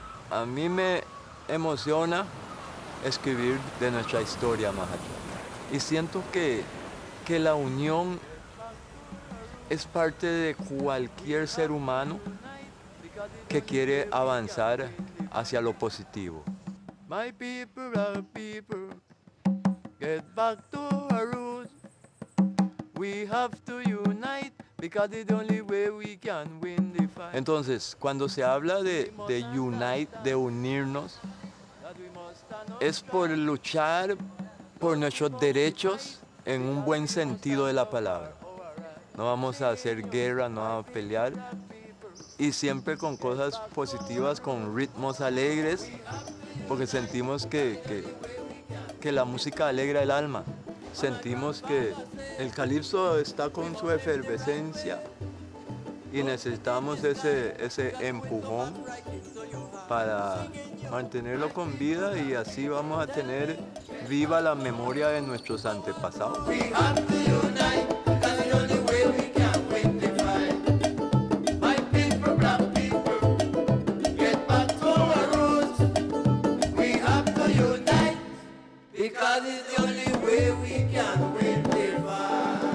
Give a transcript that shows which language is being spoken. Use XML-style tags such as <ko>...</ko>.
<es>A mí me emociona escribir de nuestra historia, Mahatma. Y siento que la unión es parte de cualquier ser humano que quiere avanzar hacia lo positivo.</es> <en>My people, our people, get back to our roots. We have to unite because it's the only way we can win the fight.</en> <es>Entonces, cuando se habla de unite, de unirnos, es por luchar por nuestros derechos en un buen sentido de la palabra. No vamos a hacer guerra, no vamos a pelear. Y siempre con cosas positivas, con ritmos alegres, porque sentimos que la música alegra el alma. Sentimos que el calipso está con su efervescencia y necesitamos ese empujón para mantenerlo con vida y así vamos a tener viva la memoria de nuestros antepasados.</es> <en>We have to unite, that's the only way we can win the fight. My people, black people, get back to our roots. We have to unite, because it's the only way we can win the fight.</en>